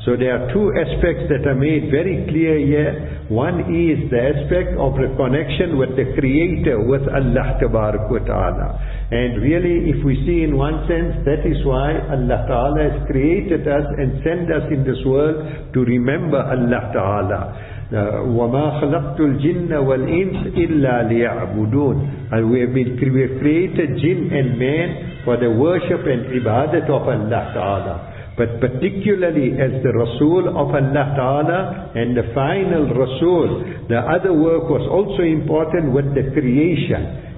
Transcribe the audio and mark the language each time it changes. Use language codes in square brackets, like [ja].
[en] So there are two aspects that are made very clear here. One is the aspect of the connection with the Creator, with Allah Tabaraka wa Ta'ala. And really, if we see in one sense, that is why Allah Ta'ala has created us and sent us in this world, to remember Allah Ta'ala. [ar] وما خلقت الجن والإنس إلا ليعبدون. [en] And we have created jinn and man for the worship and ibadat of Allah Ta'ala. But particularly as the Rasul of Allah Ta'ala and the final Rasul, the other work was also important with the creation.